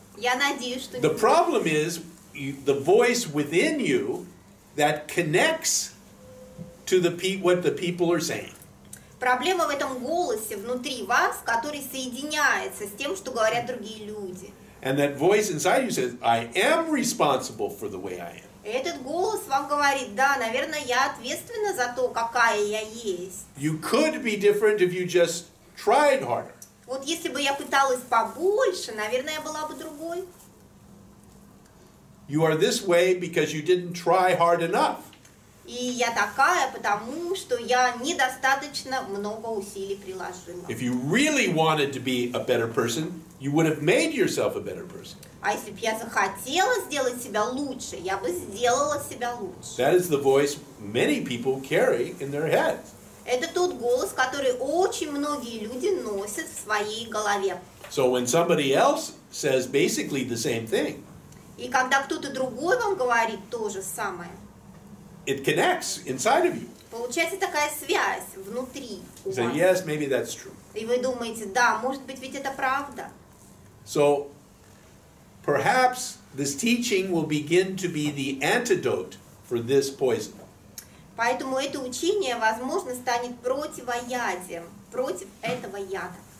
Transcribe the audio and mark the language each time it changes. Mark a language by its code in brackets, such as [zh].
[en] The problem is the voice within you that connects to the what the people are saying. [ru] Проблема в этом голосе внутри вас, который соединяется с тем, что говорят другие люди. [en] And that voice inside you says, I am responsible for the way I am. [ru] Этот голос вам говорит, да, наверное, я ответственна за то, какая я есть. [en] You could be different if you just tried harder. [ru] Вот если бы я пыталась побольше, наверное, я была бы другой. [en] You are this way because you didn't try hard enough. [ru] И я такая, потому что я недостаточно много усилий приложила. [en] If you really wanted to be a better person, you would have made yourself a better person. [ru] А если бы я захотела сделать себя лучше, я бы сделала себя лучше. [en] That is the voice many people carry in their heads. [ru] Это тот голос, который очень многие люди носят в своей голове. [en] So when somebody else says basically the same thing. [ru] И когда кто-то другой вам говорит то же самое. [en] It connects inside of you. [ru] Получается такая связь внутри у вас. [en] So yes, maybe that's true. [ru] И вы думаете, да, может быть, ведь это правда. [en] So perhaps this teaching will begin to be the antidote for this poison. [ru] Поэтому это учение, возможно, станет противоядием, против этого яда.